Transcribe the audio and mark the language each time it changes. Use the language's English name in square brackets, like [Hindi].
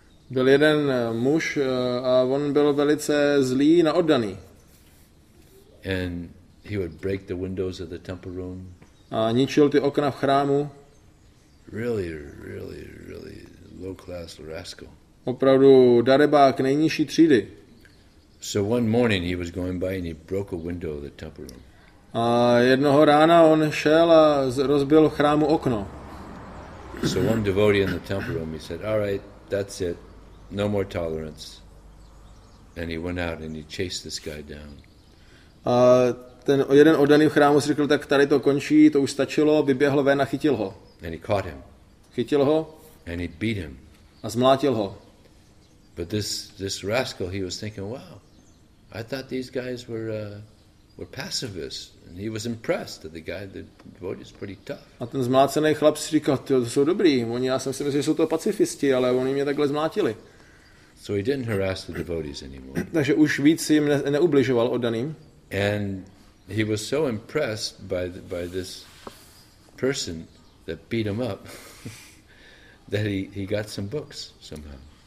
[Czech] Byl jeden muž a on byl velice zlý na oddaný. [English] And he would break the windows of the temple room. [Czech] A ničil ty okna v chrámu. [English] Really, really, really low class rascal. [Czech] Opravdu darebák nejnižší třídy. [English] So one morning he was going by and he broke a window of the temple room. [Czech] A jednoho rána on šel a rozbil v chrámu okno. [English] So one devotee in the temple room, he said, all right, that's it, no more tolerance. And he went out and he chased this guy down. [Czech] A ten jeden oddaný v chrámu si řekl, tak tady to končí, to už stačilo, vyběhl ven a chytil ho. [English] And he caught him. [Czech] Chytil ho. [English] And he beat him. [Czech] A zmlátil ho. [English] But this rascal, he was thinking, wow, I thought these guys were pacifists, and he was impressed that the guy, the devotee, is pretty tough. [Czech] A ten zmácený chlap si říkal, ty to jsou dobrý. Oni, já jsem si myslel, že jsou to pacifisti, ale oni mě takhle zmlátili. [English] So he didn't harass the devotees anymore. [Czech] Takže už víc jim neubližoval oddaným. [English] And he was so impressed by this person that beat him up that he got some books somehow.